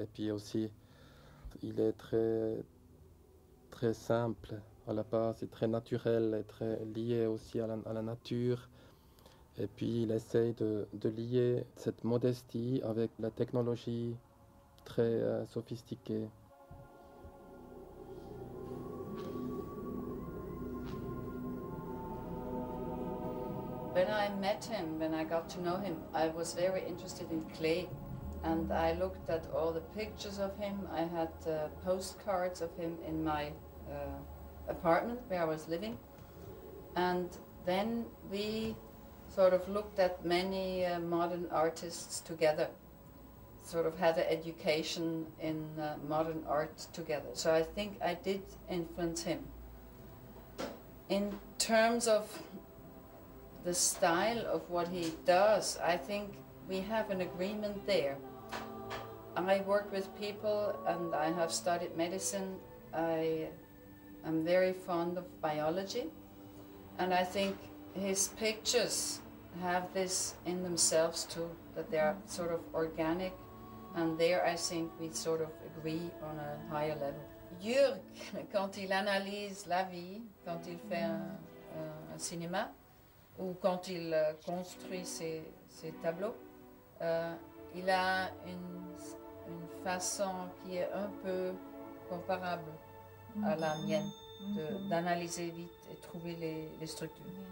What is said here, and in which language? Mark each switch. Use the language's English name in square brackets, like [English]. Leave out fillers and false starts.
[French] Et puis aussi, il est très, très simple. À la base, c'est très naturel et très lié aussi à la nature. Et puis, il essaye de lier cette modestie avec la technologie très sophistiquée. [English] When I met him, when I got to know him, I was very interested in clay, and I looked at all the pictures of him. I had postcards of him in my apartment where I was living, and then we sort of looked at many modern artists together, sort of had an education in modern art together. So I think I did influence him. In terms of the style of what he does, I think we have an agreement there. I work with people and I have studied medicine. I am very fond of biology, and I think his pictures have this in themselves too, that they are sort of organic, and there I think we sort of agree on a higher level. [French] Jürg, quand il analyse la vie, quand il fait un cinéma, ou quand il construit ses tableaux, il a une façon qui est un peu comparable à la mienne, d'analyser vite et trouver les structures.